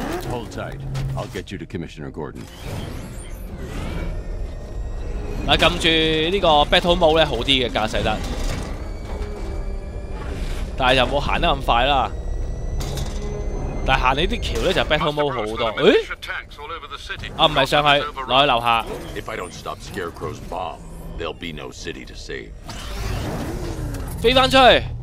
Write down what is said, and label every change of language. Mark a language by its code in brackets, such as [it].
[en] Hold tight, I'll get you to Commissioner Gordon。 [yue] 嗱，揿住呢个 Battle Mode 咧，好啲嘅驾驶得，但系就冇行得咁快啦。但行呢啲桥咧就 Battle Mode 好多。诶、欸，啊唔系上去，落去楼下。 [en] If I don't stop Scarecrow's bomb, there'll be no city to save。 [yue] 飞翻出去。